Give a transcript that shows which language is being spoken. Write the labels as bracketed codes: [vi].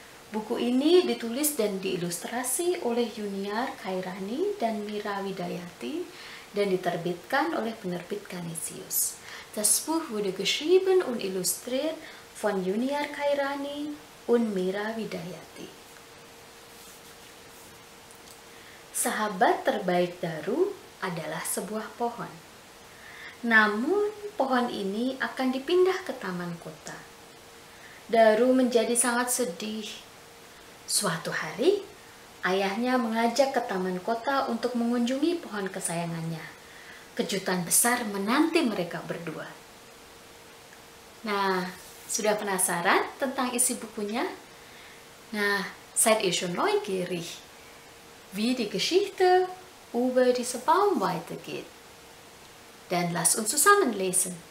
[id] Buku ini ditulis dan diilustrasi oleh Yuniar Kairani dan Mira Widayati dan diterbitkan oleh penerbit Canisius. [de] Das Buch wurde geschrieben und illustriert von Yuniar Kairani und Mira Widayati. [id] Sahabat terbaik Daru adalah sebuah pohon. Namun, pohon ini akan dipindah ke taman kota. Daru menjadi sangat sedih. Suatu hari, ayahnya mengajak ke taman kota untuk mengunjungi pohon kesayangannya. Kejutan besar menanti mereka berdua. Nah, sudah penasaran tentang isi bukunya? [de] Nah, seid ihr schon neugierig, wie die Geschichte über diesen Baum weitergeht? Dan lasst uns zusammen lesen.